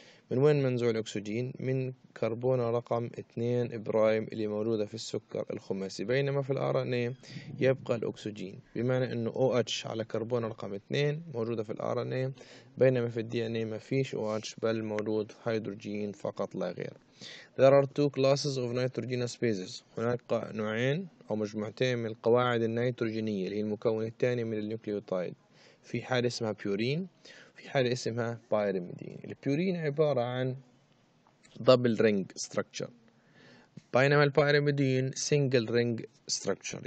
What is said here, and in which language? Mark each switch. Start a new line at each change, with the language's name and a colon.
Arabic: من وين منزوع الأكسجين؟ من كربونة رقم 2 برايم اللي موجودة في السكر الخماسي، بينما في الـ RNA يبقى الأكسجين، بمعنى أنه OH على كربونة رقم 2 موجودة في الـ RNA، بينما في الـ DNA ما فيش OH بل موجود هيدروجين فقط لا غير.
English: There are two classes of nitrogenous bases.
Arabic: هناك نوعين أو مجموعتين من القواعد النيتروجينية اللي هي المكون الثاني من النيوكليوتايد، في حالة اسمها بيورين في حالة اسمها بايرميدين. البيورين عبارة عن دبل رينج ستركتشر، بينما البايرميدين سينجل رينج ستركتشر.